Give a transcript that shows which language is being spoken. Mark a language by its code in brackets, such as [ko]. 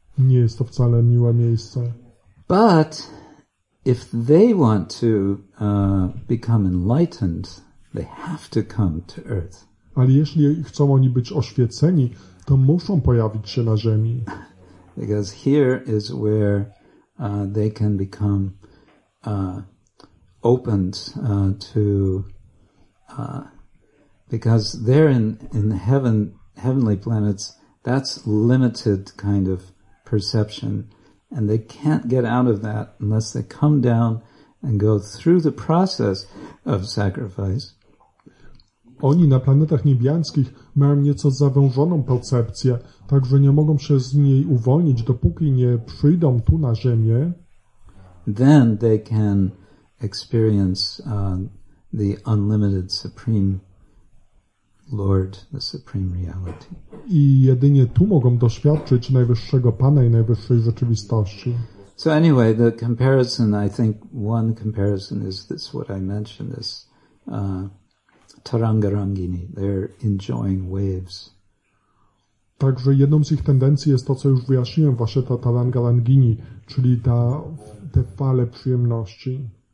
[pl] Nie jest to wcale miłe miejsce. [en] But if they want to become enlightened, they have to come to earth. [pl] Ale jeśli chcą oni być oświeceni, to muszą pojawić się na ziemi. [en] Because here is where they can become opened to because they're in heaven, heavenly planets, that's limited kind of perception, and they can't get out of that unless they come down and go through the process of sacrifice. [pl] Oni na planetach niebiańskich mają nieco zawężoną percepcję, także nie mogą się z niej uwolnić, dopóki nie przyjdą tu na Ziemię. [en] Then they can experience the unlimited supreme Lord, the supreme reality. [pl] I jedynie tu mogą doświadczyć najwyższego Pana i najwyższej rzeczywistości. [en] So anyway, the comparison, I think one comparison is this, what I mentioned, is Tarangarangini, they're enjoying waves. [pl] Także jedną z ich tendencji jest to, co już wyjaśniłem, właśnie ta Tarangarangini, czyli te fale przyjemności.